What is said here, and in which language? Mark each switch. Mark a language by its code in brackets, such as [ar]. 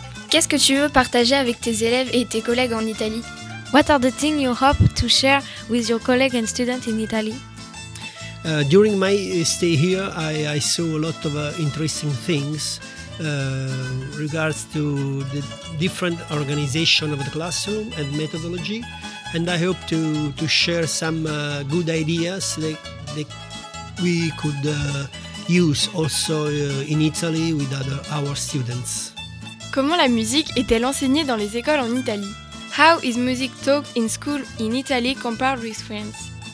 [fr] Qu'est-ce que tu veux partager avec tes élèves et tes collègues en Italie? [en] What are the things you hope to share with your colleagues and students in Italy? During my stay here, I saw a lot of interesting things regards to the different organization of the classroom and methodology, and I hope to share some good ideas that we could use also in Italy with our students. [fr] Comment la musique est-elle enseignée dans les écoles en Italie? [en] How is music taught in school in Italy compared with France?